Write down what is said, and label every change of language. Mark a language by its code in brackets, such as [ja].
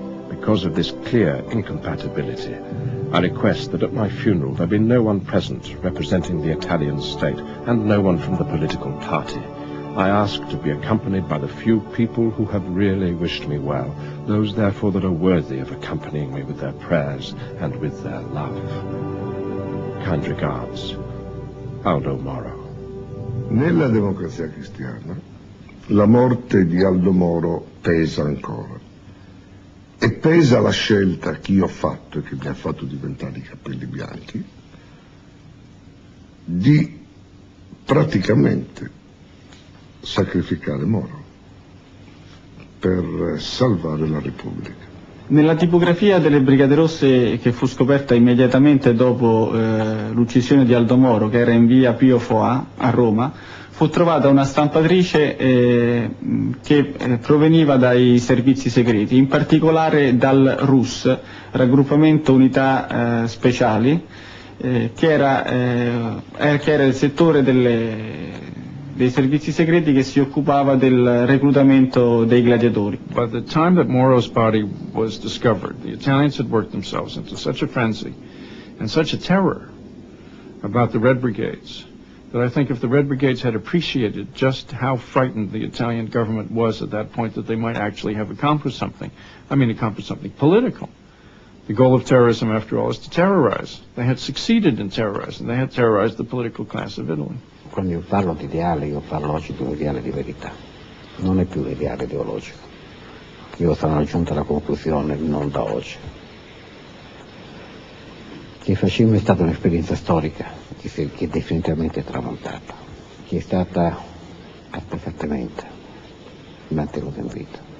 [en] Because of this clear incompatibility, I request that at my funeral there be no one present representing the Italian state and no one from the political party. I ask to be accompanied by the few people who have really wished me well, those therefore that are worthy of accompanying me with their prayers and with their love. Kind regards, Aldo Moro. [it] Nella democrazia cristiana, la morte di Aldo Moro pesa ancora. E pesa la scelta che io ho fatto e che mi ha fatto diventare i capelli bianchi, di praticamente sacrificare Moro per salvare la Repubblica. Nella tipografia delle Brigate Rosse, che fu scoperta immediatamente dopo l'uccisione di Aldo Moro, che era in via Pio Foà a Roma, fu trovata una stampatrice che proveniva dai servizi segreti, in particolare dal RUS, Raggruppamento Unità Speciali, che era il settore dei servizi segreti che si occupava del reclutamento dei gladiatori. [en] By the time that Moro's body was discovered, the Italians had worked themselves into such a frenzy and such a terror about the Red Brigades that I think if the Red Brigades had appreciated just how frightened the Italian government was at that point, that they might actually have accomplished something political. The goal of terrorism, after all, is to terrorize. They had succeeded in terrorizing. They had terrorized the political class of Italy. [it] Quando io parlo di ideale, io parlo oggi di un ideale di verità. Non è più l'ideale ideologico. Io sono raggiunto alla conclusione, non da oggi. Il fascismo è stata un'esperienza storica che è definitivamente tramontata, che è stata artefattamente mantenuta in vita.